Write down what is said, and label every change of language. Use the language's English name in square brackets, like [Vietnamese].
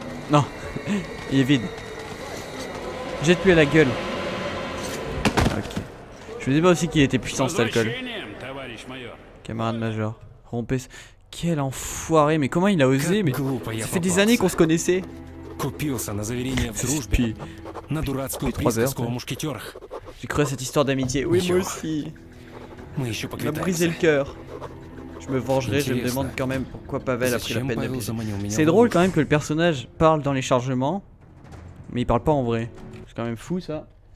[French] Non. Il est vide. J'ai tué la gueule. Ok. Je me disais pas aussi qu'il était puissant cet alcool. Camarade major. Rompez. Quel enfoiré. Mais comment il a osé? Mais ça fait des années qu'on se connaissait. [Russian] Купился на заверение в дружбе. На дурацкую приписку о мушкетерах. [French] J'ai cru à cette histoire d'amitié. Oui, moi aussi. [Russian] Мы еще поквитаемся. [French] Il m'a brisé le cœur. Je me vengerai, je me demande quand même pourquoi Pavel a pris la peine de me... C'est drôle quand même que le personnage parle dans les chargements, mais il parle pas en vrai. C'est quand même fou ça.